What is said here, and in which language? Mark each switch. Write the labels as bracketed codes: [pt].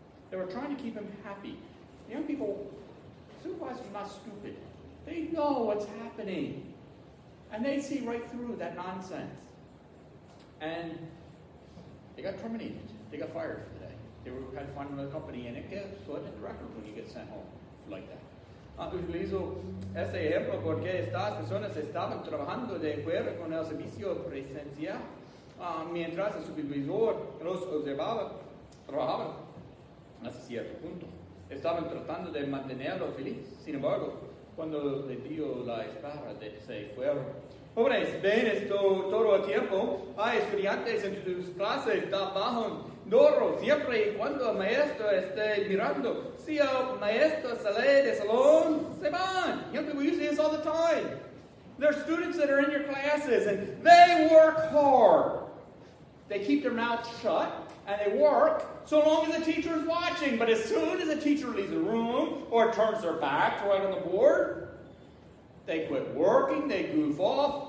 [en] They were trying to keep him happy. Young people, supervisors are not stupid. They know what's happening. And they see right through that nonsense. And they got terminated. They got fired for the day. They were had to find another company, and it gets put in the record when you get sent home like that. [es] Utilizo este ejemplo porque estas personas estaban trabajando de acuerdo con el servicio presencial. Mientras el supervisor los observaba, trabajaban hasta cierto punto. Estaban tratando de mantenerlo feliz. Sin embargo, cuando le dio la espada, se fueron. Jóvenes, ven esto todo el tiempo. Hay estudiantes en tus clases, trabajan duro siempre y cuando el maestro esté mirando. Si el maestro sale de salón, se van. [en] Young people use this all the time. There are students that are in your classes and they work hard. They keep their mouths shut and they work so long as the teacher is watching. But as soon as the teacher leaves the room or turns their back to write on the board, they quit working, they goof off.